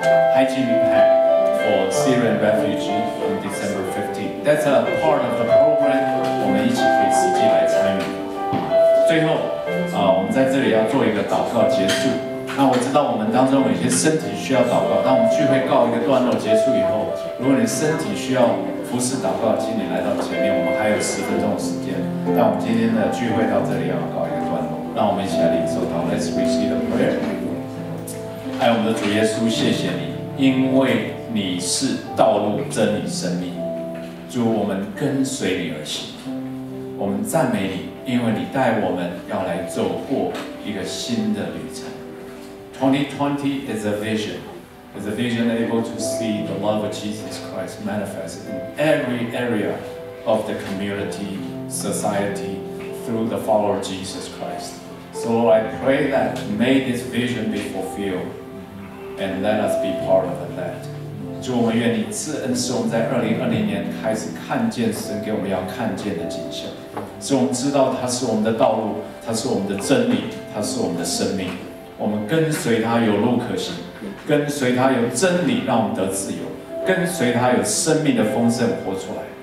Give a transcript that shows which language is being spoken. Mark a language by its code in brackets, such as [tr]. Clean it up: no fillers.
[en] Hygiene pack for Syrian refugees on December 15th. That's a part of the program. [zh] 我们一起可以实际来参与。最后，我们在这里要做一个祷告结束。那我知道我们当中有些身体需要祷告，当我们聚会告一个段落结束以后，如果你身体需要服侍祷告，请你来到前面，我们还有10分钟的时间。但我们今天的聚会到这里要告一个段落，让我们一起来领受祷告。 [en] Let's receive the prayer. [zh] 爱我们的主耶稣，谢谢你，因为你是道路、真理、生命。主，我们跟随你而行，我们赞美你，因为你带我们要来走过一个新的旅程。 [en] 2020 is a vision. is the vision able to see the love of Jesus Christ manifested in every area of the community, society, through the follower of Jesus Christ. So Lord, I pray that may this vision be fulfilled, and let us be part of that. [zh] 主，我们愿你赐恩，使我们在2020年开始看见神给我们要看见的景象，使我们知道他是我们的道路，他是我们的真理，他是我们的生命。我们跟随他有路可行，跟随他有真理让我们得自由，跟随他有生命的丰盛活出来。